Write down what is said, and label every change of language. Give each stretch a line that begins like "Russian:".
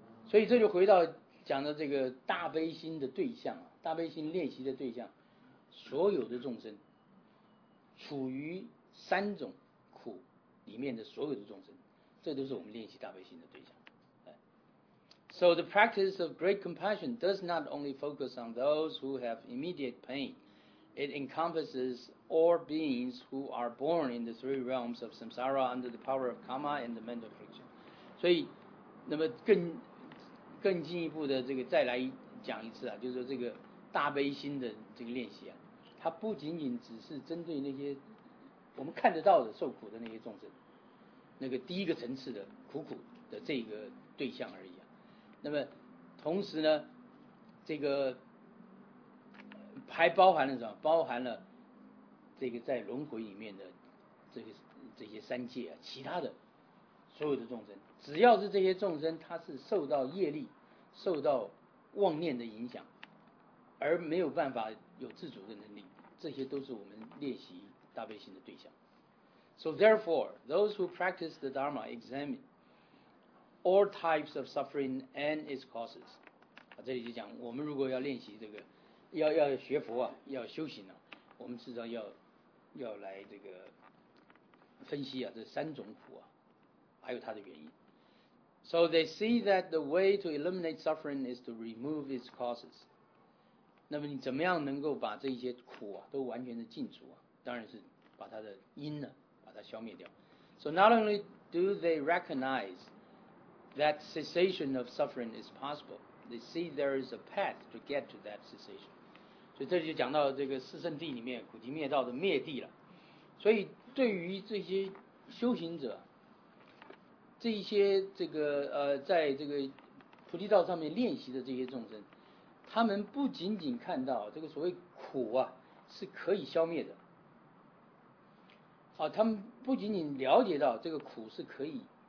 Chinese: 所以这就回到讲的这个大悲心的对象，大悲心练习的对象，所有的众生处于三种苦里面的所有的众生，这都是我们练习大悲心的对象。
English: So the practice of great compassion does not only focus on those who have immediate pain. It encompasses all beings who are born in the three realms of samsara under the power of karma and the mental affliction.
Chinese: 所以那么更进一步的这个再来讲一次啊，就是说这个大悲心的这个练习啊，它不仅仅只是针对那些我们看得到的受苦的那些众生，那个第一个层次的苦苦的这个对象而已。那么同时呢，这个还包含了什么？包含了这个在轮回里面的这些三界啊，其他的所有的众生，只要是这些众生他是受到业力、受到妄念的影响而没有办法有自主的能力，这些都是我们练习大悲心的对象。
English: So therefore, those who practice the Dharma examineall types of suffering and its causes.
Chinese: 这里就讲我们如果要练习这个 要学佛啊，要修行啊，我们至少要来这个分析啊，这三种苦啊，还有它的原因。
English: So they see that the way to eliminate suffering is to remove its causes.
Chinese: 那么你怎么样能够把这些苦啊都完全的禁除啊，当然是把它的因呢，把它消灭掉。
English: So not only do they recognizeThat cessation of suffering is possible. They see there is a path to get to that cessation.
Chinese: 所以这就讲到这个四圣地里面苦集灭道的灭地了。所以对于这些修行者，这些这个在这个菩提道上面练习的这些众生，他们不仅仅看到这个所谓苦啊是可以消灭的，他们不仅仅了解到这个苦是可以。